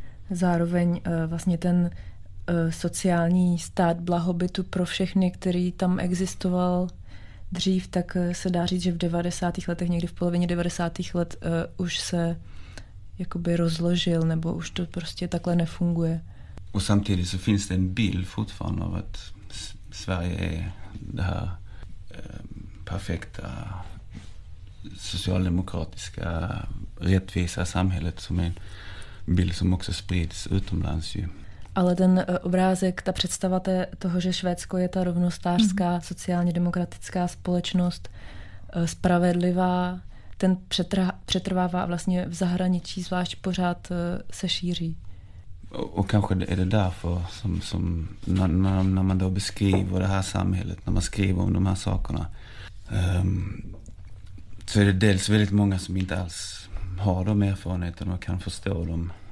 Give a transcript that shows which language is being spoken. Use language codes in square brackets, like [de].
[cs] Zároveň vlastně ten sociální stát blahobytu pro všechny, který tam existoval dřív, tak se dá říct, že v 90. letech, někdy v polovině 90. let už se jakoby rozložil, nebo už to prostě takhle nefunguje. [sv] Och samtidigt så finns det en bild fortfarande av att Sverige är det här perfekta socialdemokratiska rättvisa samhället som är en bild som också sprids utomlands ju. [cs] Ale ten obrázek, ta představa toho, že Švédsko je ta rovnostářská sociálně demokratická společnost, spravedlivá, ten přetrvává vlastně v zahraničí, zvlášť pořád se šíří. [sv] Och kanske är det därför som när man då beskriver det här samhället, när man skriver om de här sakerna, så är det dels väldigt många som inte alls har de erfarenheterna och kan förstå dem.